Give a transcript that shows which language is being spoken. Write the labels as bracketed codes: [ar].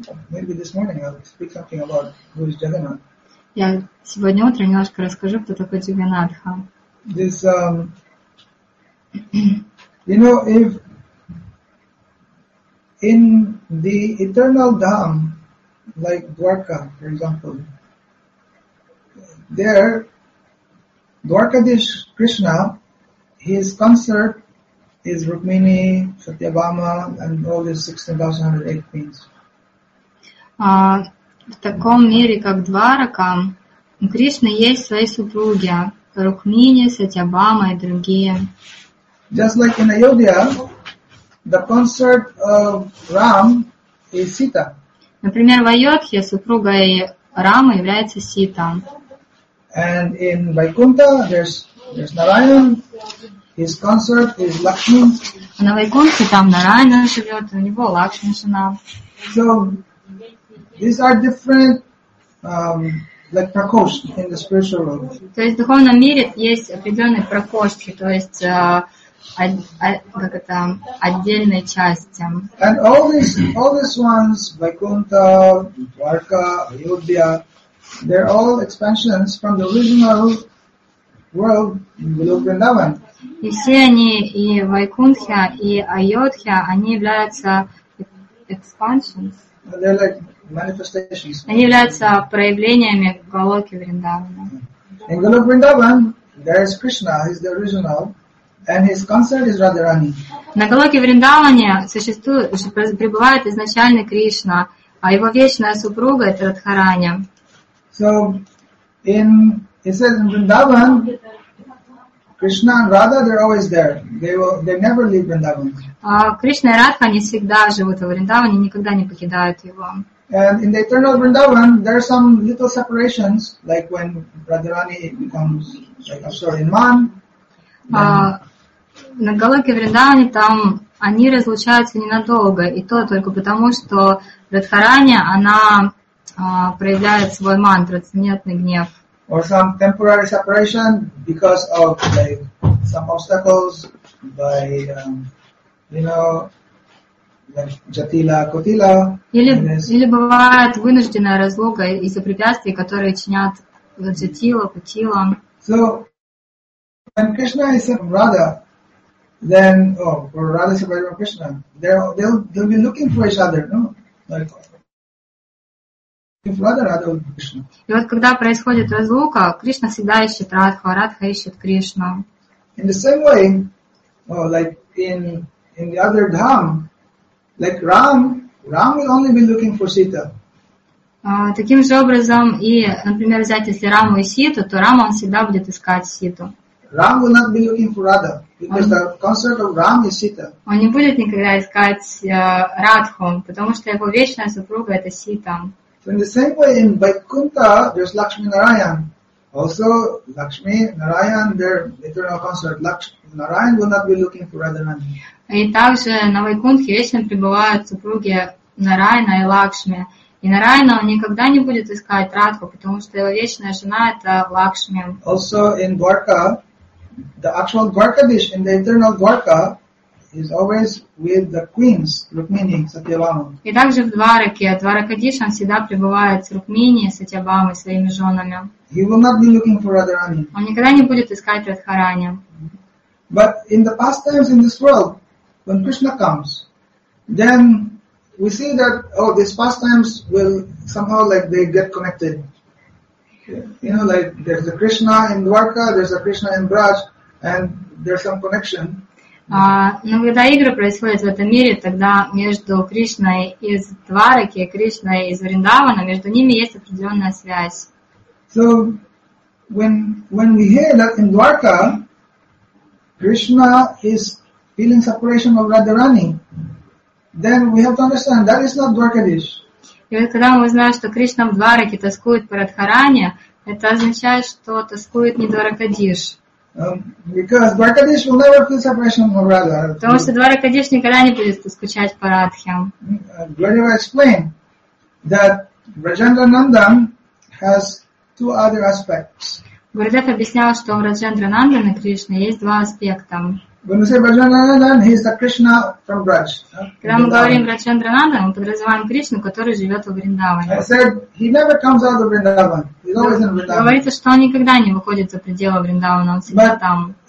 [en] maybe this morning I'll speak something about who is Jagannath. [ru] Я сегодня утром немножко расскажу, кто такой Джаганнатха. [en] This, you know, if in the eternal dham, like Dwarka, for example, there, Dwarkadish Krishna, his consort is Rukmini, Satyabhama, and all these 16,108 queens. [ru] В таком мире, как Дварака, у Кришны есть свои супруги, Рукмини, Сатьябама и другие. [en] Just like in Ayodhya, the consort of Ram is Sita. [ru] Например, в Айодхе супругой Рамы является Сита. [en] And in Vaikuntha, there's Narayana, his consort is Lakshmi. [ru] А на Вайкунте там Нарайна живет, у него Лакшми жена. [en] So, these are different, like prakosh in the spiritual world. [ru] То есть в духовном мире есть определенные прокошки, то есть как это отдельные части. [en] And all these ones, Vaikuntha, Dwarka, Ayodhya, they're all expansions from the original world in Goloka Vrindavan. [ru] И все они и Вайкунтха и Айодхья, они являются expansions. [en] They're like manifestations. [ru] Они являются проявлениями Голоки Вриндавана. [en] In Goloka Vrindavan, there is Krishna, he's the original, and his consort is Radharani. [ru] На Голоке Вриндаване пребывает изначальный Кришна, а его вечная супруга это Радхарани. [en] So, it says in Vrindavan, Krishna and Radha, they're always there. They never leave Vrindavan. [ru] Krishna и Radha, они всегда живут во Вриндаване, никогда не покидают его. [en] And in the eternal Vrindavan, there are some little separations, like when Radharani becomes like Asura in Man. [ru] На Галоке Вриндаване там они разлучаются ненадолго, и то только потому, что Радхарани, она проявляет свой ман, трансцендентный гнев. [en] Or some temporary separation because of like some obstacles by like Jatila Kotila. [ru] Или бывает вынужденная разлука из-за препятствий, которые чинят Jatila Kotila. [en] So when Krishna is in Radha, then or Radha is separated from Krishna, they'll be looking for each other, no? Like, [ru] и вот когда происходит разлука, Кришна всегда ищет Радху, а Радха ищет Кришну. [en] In the same way, like in the other dham, like Ram will only be looking for Sita. [ru] Таким же образом, и, например, взять если Раму и Ситу, то Рама он всегда будет искать Ситу. [en] Ram will not be looking for Radha because the consort of Ram is Sita. [ru] Он не будет никогда искать Радху, потому что его вечная супруга это Сита. [en] So in the same way, in Vaikuntha, there's Lakshmi Narayan. Also, Lakshmi Narayan, their eternal consort, Narayan will not be looking for Radharani. [ru] И также на Вайкунтхе вечно пребывают супруги Нарайана и Лакшми. И Нарайана он никогда не будет искать Радху, потому что его вечная жена это Лакшми. [en] Also in Dwarka, the actual Dwarkadish in the eternal Dwarka is always with the queens, Rukmini, Satyabhama. [ru] И также в Двараке, Дваракадиш, он всегда пребывает с Рукмини, Сатьябамой, своими женами. [en] He will not be looking for Radharani. [ru] Он никогда не будет искать Радхарани. [en] But in the past times in this world, when Krishna comes, then we see that, oh, these past times will somehow like they get connected. You know, like there's a Krishna in Dwarka, there's a Krishna in Braj, and there's some connection. [ru] Но когда игры происходят в этом мире, тогда между Кришной из Двараки и Кришной из Вриндавана, между ними есть определенная связь. [en] So when we hear that in Dwarka, Krishna is feeling separation of Radharani, then we have to understand that is not Dwarkadish. [ru] И вот когда мы знаем, что Кришна в Двараке тоскует по Радхарани, это означает, что тоскует не Дваракадиш. [en] Because Dwarakadish will never feel separation from Radha. [ru] Потому что Дваракадиш никогда не будет скучать по Радхе. [en] Gurudeva explained that Rajendra Nandan has two other aspects. [ru] Gurudev объяснял, что у Раджендра Нандана Кришны есть два аспекта. [en] When we say Rajendra Nandan, he is the Krishna from Braj. [ru] Когда мы говорим Раджендра Нандан, мы подразумеваем Кришну, который живет в Вриндаване. [en] I said he never comes out of Vrindavan. He's always in Vrindavan. [ru] Говорится, что он никогда не выходит за пределы Вриндавана, он всегда там.